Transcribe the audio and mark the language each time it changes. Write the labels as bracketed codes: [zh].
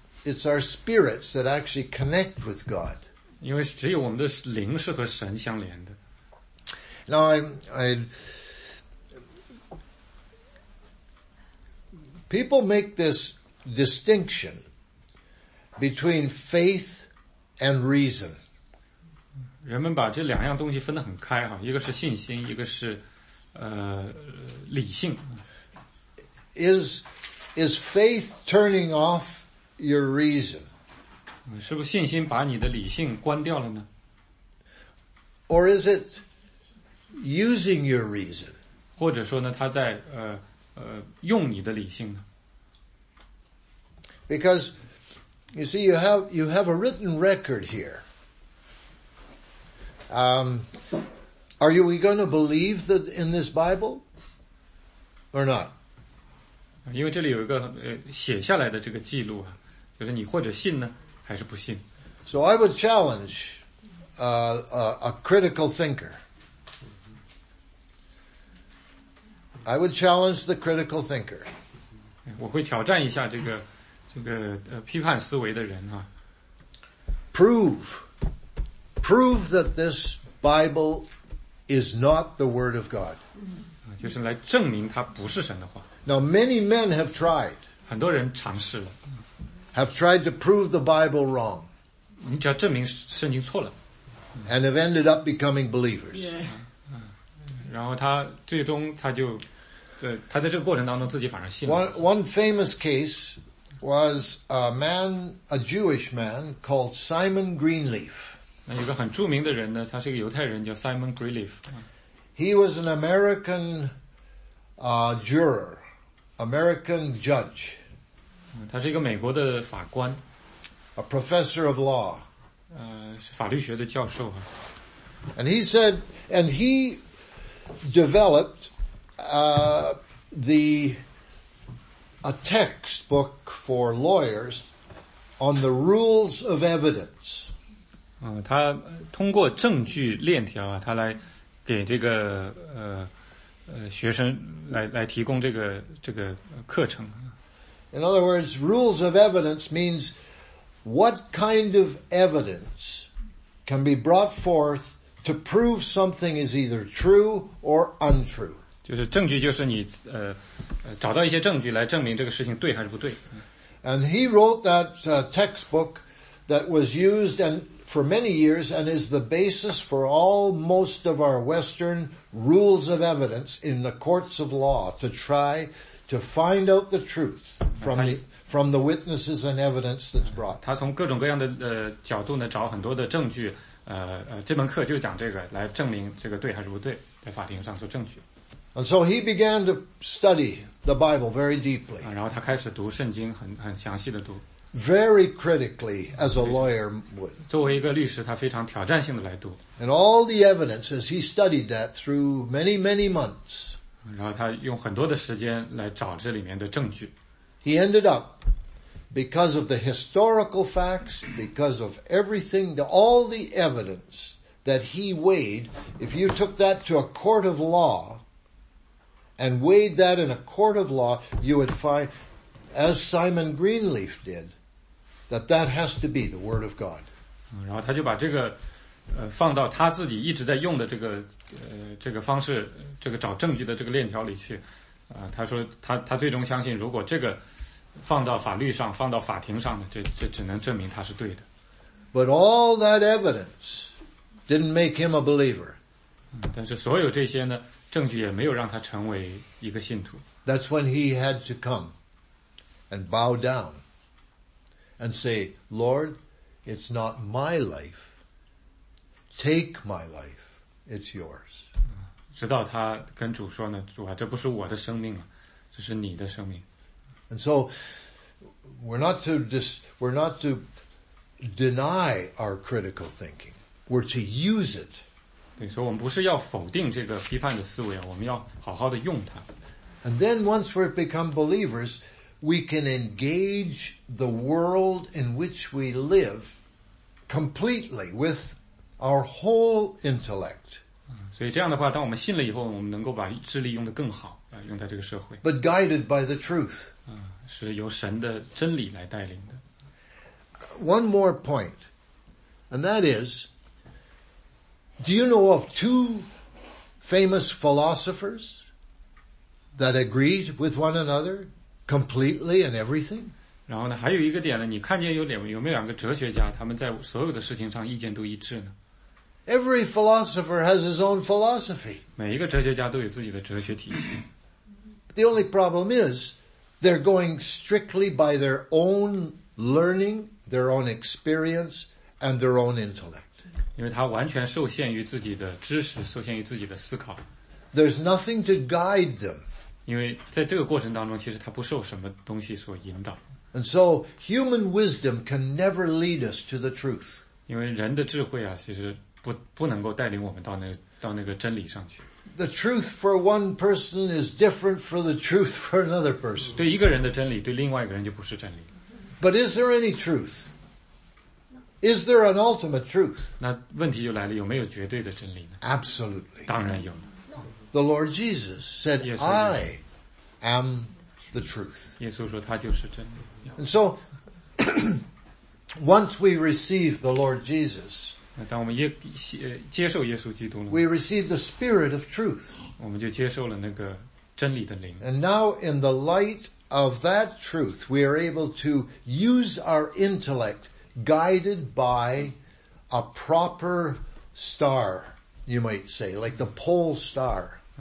[en] It's our spirits that actually connect with God. [zh] 因为只有我们的灵是和神相连的。 [en] Now I people make this distinction between faith and reason. [zh] 人们把这两样东西分得很开啊，一个是信心，一个是理性。 [en] Is faith turning off your reason? [zh] 是不是信心把你的理性关掉了呢？ [en] Or is it using your reason? [zh] 或者说呢，他在用你的理性呢？ [en] Because you see, you have a written record here. Are we going to believe that in this Bible or not? [zh] 因为这里有一个写下来的这个记录啊，就是你或者信呢，还是不信。 [en] So I would challenge a critical thinker. I would challenge the critical thinker. [zh] 我会挑战一下这个批判思维的人啊。 [en] Prove that this Bible is not the Word of God. [zh] 就是来证明它不是神的话。 [en] Now many men have tried. [zh] 很多人尝试了。 [en] Have tried to prove the Bible wrong. [zh] 你只要证明圣经错了。 [en] And have ended up becoming believers. Yeah. [zh] 然后他最终他就他在这个过程当中自己反而信了。 [en] One famous case was a man, a Jewish man called Simon Greenleaf. [zh] 那有个很著名的人呢，他是一个犹太人叫 Simon Greenleaf. [en] He was an American juror, American judge. [zh] 他是一个美国的法官。 [en] A professor of law. [zh] 是法律学的教授。 [en] And he said, and he developed, a textbook for lawyers on the rules of evidence. [zh] 他通过证据链条啊，他来给这个学生来提供这个课程。 [en] In other words, rules of evidence means what kind of evidence can be brought forth to prove something is either true or untrue. [zh] 就是证据，就是你找到一些证据来证明这个事情对还是不对。 [en] And he wrote that textbook that was used and for many years and is the basis for all most of our Western rules of evidence in the courts of law to try to find out the truth. from the witnesses and evidence that's brought. [zh] 他从各种各样的角度呢找很多的证据，这门课就讲这个，来证明这个对还是不对，在法庭上做证据。 [en] And so he began to study the Bible very deeply. [zh] 然后他开始读圣经，很详细的读。 [en] Very critically, as a lawyer would. [zh] 作为一个律师，他非常挑战性的来读。 [en] And all the evidence as he studied that through many, many months. [zh] 然后他用很多的时间来找这里面的证据。 [en] He ended up, because of the historical facts, because of everything, all the evidence that he weighed, if you took that to a court of law,And weighed that in a court of law, you would find, as Simon Greenleaf did, that that has to be the word of God. [zh] 然后他就把这个，放到他自己一直在用的这个，这个方式，这个找证据的这个链条里去。他说他最终相信，如果这个放到法律上，放到法庭上的，这只能证明他是对的。 [en] But all that evidence didn't make him a believer. [zh] 但是所有这些呢？证据也没有让他成为一个信徒。 [en] That's when he had to come and bow down and say, Lord, it's not my life. Take my life. It's yours. [zh] 直到他跟主说呢，主啊，这不是我的生命了，这是你的生命。 [en] And so we're not to deny our critical thinking. We're to use it. [zh] 所以我们不是要否定这个批判的思维啊，我们要好好的用它。 [en] And then once we've become believers, we can engage the world in which we live completely with our whole intellect. [zh] 所以这样的话，当我们信了以后，我们能够把智力用得更好，用在这个社会。 [en] But guided by the truth. [zh] 是由神的真理来带领的。 [en] One more point, and that is,Do you know of two famous philosophers that agreed with one another completely in everything? [zh] 然后呢，还有一个点呢，你看见有没有两个哲学家，他们在所有的事情上意见都一致呢？ [en] Every philosopher has his own philosophy. [zh] 每一个哲学家都有自己的哲学体系。 [en] The only problem is they're going strictly by their own learning, their own experience, and their own intellect. [zh] 因为他完全受限于自己的知识，受限于自己的思考。 [en] There's nothing to guide them. [zh] 因为在这个过程当中，其实他不受什么东西所引导。 [en] And so human wisdom can never lead us to the truth. [zh] 因为人的智慧啊，其实不能够带领我们到那个真理上去。 [en] The truth for one person is different from the truth for another person. [zh] 对一个人的真理，对另外一个人就不是真理。 [en] But is there any truth? Is there an ultimate truth? [zh] 那问题就来了，有没有绝对的真理呢？ [en] Absolutely. [zh] 当然有。 [en] The Lord Jesus said, I am the truth. [zh] 耶稣说他就是真理。 [en] And so, once we receive the Lord Jesus, [zh] 那当我们接受耶稣基督了， [en] we receive the spirit of truth. [zh] 我们就接受了那个真理的灵。 [en] And now in the light of that truth, we are able to use our intellectguided by a proper star, you might say, like the pole star.